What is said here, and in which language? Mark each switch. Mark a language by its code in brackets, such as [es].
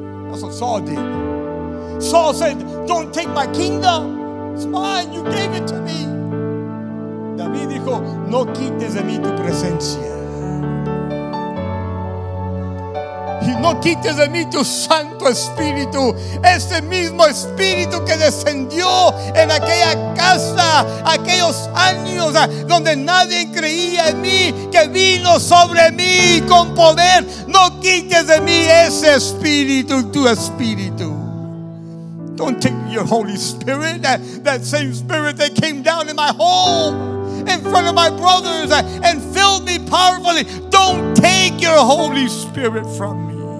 [en] That's what Saul did. Saul said, don't take my kingdom. It's mine, you gave it to me. [es] David dijo, no quites de mí tu presencia. Y no quites de mí tu Santo Espíritu. Ese mismo Espíritu que descendió en aquella casa, aquellos años donde nadie creía en mí, que vino sobre mí con poder. No quites de mí ese Espíritu, tu Espíritu. [en] Don't take your Holy Spirit, that same Spirit that came down in my home in front of my brothers and filled me powerfully. Don't take your Holy Spirit from me.